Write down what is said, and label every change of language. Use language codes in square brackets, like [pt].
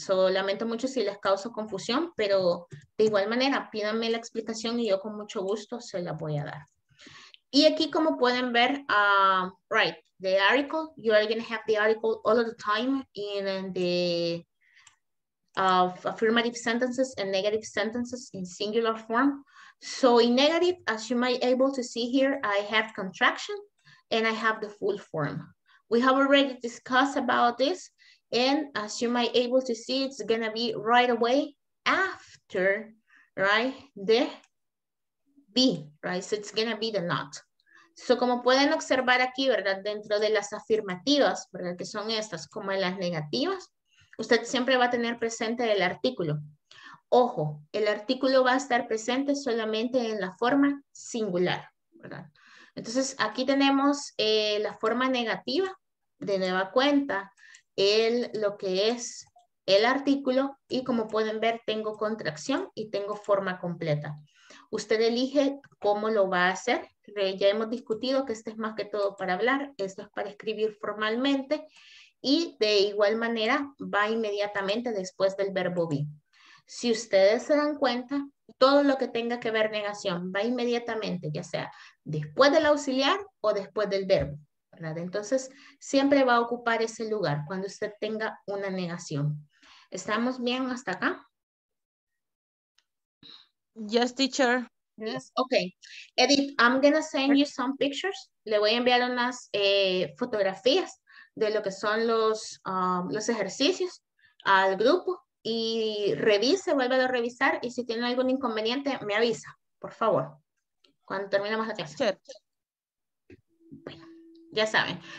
[es] Lamento mucho si les causo confusión, pero de igual manera, pídanme la explicación y yo con mucho gusto se la voy a dar. Y aquí, como pueden ver, [en] right, the article, you are going to have the article all of the time in the affirmative sentences and negative sentences in singular form. So in negative, as you might able to see here, I have contraction and I have the full form. We have already discussed about this. And as you might able to see, it's going to be right away after, right, the be, right? So it's going to be the not. [es] So, como pueden observar aquí, ¿verdad? Dentro de las afirmativas, ¿verdad? Que son estas, como en las negativas, usted siempre va a tener presente el artículo. Ojo, el artículo va a estar presente solamente en la forma singular, ¿verdad? Entonces, aquí tenemos la forma negativa, de nueva cuenta, lo que es el artículo, y como pueden ver, tengo contracción y tengo forma completa. Usted elige cómo lo va a hacer. Ya hemos discutido que este es más que todo para hablar, esto es para escribir formalmente y de igual manera va inmediatamente después del verbo be. Si ustedes se dan cuenta, todo lo que tenga que ver negación va inmediatamente, ya sea después del auxiliar o después del verbo, ¿verdad? Entonces siempre va a ocupar ese lugar cuando usted tenga una negación. ¿Estamos bien hasta acá? [en] Yes, teacher. Yes. Okay. Edith, I'm going to send you some pictures. [es] Le voy a enviar unas fotografías de lo que son los ejercicios al grupo. Y revise, vuelve a revisar. Y si tiene algún inconveniente, me avisa, por favor. Cuando terminemos la clase. [en] Sure. [es] Bueno, ya saben.